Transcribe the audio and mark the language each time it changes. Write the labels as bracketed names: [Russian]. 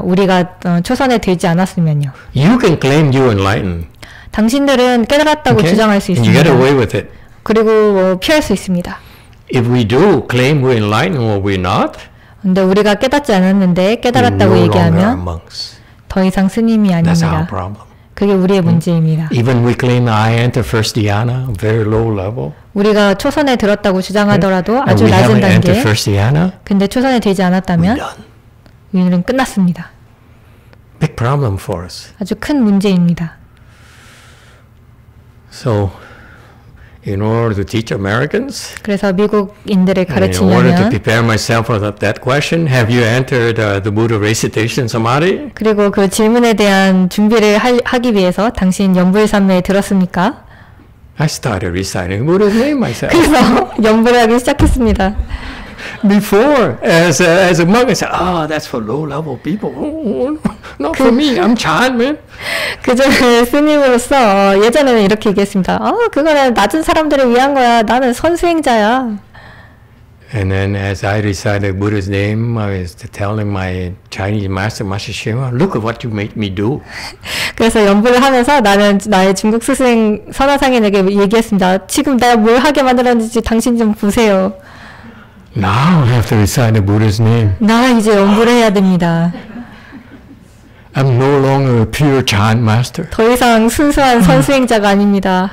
[Korean] 우리가 초선에 들지 않았으면요. [English] You can claim you enlightened. [Korean] 당신들은 깨달았다고 [English] okay? [Korean] 주장할 수 있습니다. [English] You get away with it. [Korean] 그리고 피할 수 있습니다. [English] If we do claim we're enlightened or we're not, [Korean] 근데 우리가 깨닫지 않았는데 깨달았다고 얘기하면 더 이상 스님이 아닙니다. [English] That's our problem. [Korean] 그게 우리의 문제입니다. [English] Even we claim I enter first dhyana, very low level. [Korean] 우리가 초선에 들었다고 주장하더라도 아주 [English] we [Korean] 낮은 단계에 [English] enter first dhyana, [Korean] 근데 초선에 들지 않았다면 우리는 끝났습니다. [English] Big problem for us. [Korean] 아주 큰 문제입니다. [English] So in order to teach Americans? [Korean] 그래서 미국인들을 가르치려면 [English] in order to prepare myself for that question, have you entered the Buddha recitation samadhi? [Korean] 그리고 그 질문에 대한 준비를 하기 위해서 당신 연불 삼매에 들었습니까? [English] I started reciting Buddha's name myself. [Korean] 그래서 연불을 하기 시작했습니다. [English] Before, as a monk, I said, "Oh, that's for low-level people. Not for me. I'm Chan, man." [Korean] 그 전에 스님으로서 예전에는 이렇게 얘기했습니다. 아, 그거는 낮은 사람들을 위한 거야. 나는 선수행자야. [English] And then, as I recited Buddha's name, I was telling my Chinese master, Master Shima, "Look at what you made me do." [Korean] 그래서 연불을 하면서 나는 나의 중국 스승 선화상인에게 얘기했습니다. 지금 내가 뭘 하게 만들었는지 당신 좀 보세요. [English] Now I have to recite the Buddha's name. [Korean] 나 이제 연불을 해야 됩니다. [English] I'm no longer a pure Chan master. [Korean] 더 이상 순수한 선수행자가 아닙니다.